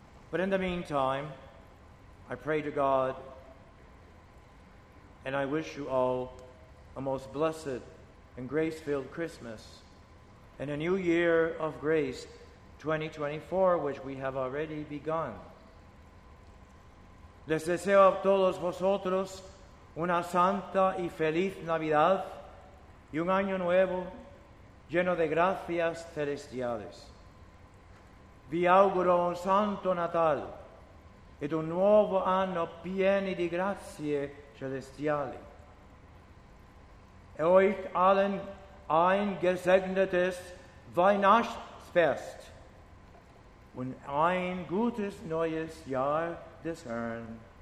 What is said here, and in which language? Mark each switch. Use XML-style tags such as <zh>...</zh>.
<en>But in the meantime, I pray to God, and I wish you all a most blessed and grace-filled Christmas, and a new year of grace, 2024, which we have already begun.</en> <es>Les deseo a todos vosotros una santa y feliz Navidad, y un año nuevo lleno de gracias celestiales.</es> <it>Vi auguro un santo Natal ed un nuovo anno pieni di grazie celestiali.</it> <de>Euch allen ein gesegnetes Weihnachtsfest und ein gutes neues Jahr des Herrn.</de>